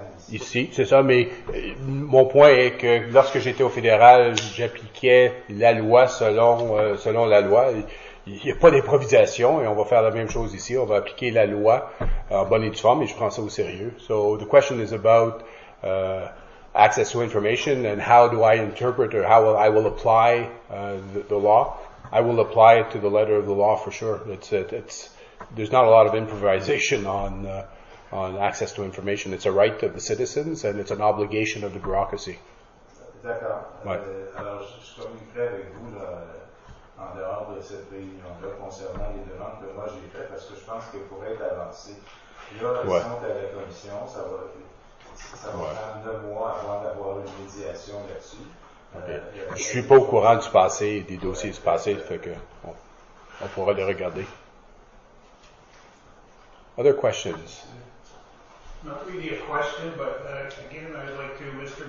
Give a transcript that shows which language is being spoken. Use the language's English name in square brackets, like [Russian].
[French] ici, c'est ça, mais mon point est que lorsque j'étais au fédéral, j'appliquais la loi selon la loi. Il n'y a pas d'improvisation et on va faire la même chose ici. On va appliquer la loi en bonne et due forme et je prends ça au sérieux. [English] So, the question is about access to information and how do I interpret or how I will apply the law. I will apply it to the letter of the law for sure. There's not a lot of improvisation on access to information. It's a right of the citizens and it's an obligation of the bureaucracy. [French] D'accord. Ouais. Alors, je communiquerai avec vous là, en dehors de cette réunion-là concernant les demandes que moi j'ai faites parce que je pense qu'elles pourraient être avancées. Là, ouais. Si on est à la commission, ça va prendre 9 mois avant d'avoir une médiation là-dessus. [English] Okay. [French] Je suis pas au courant du passé, des dossiers du passé, fait que on pourra les regarder. [English] Other questions? Not really a question, but again, I'd like to, Mr.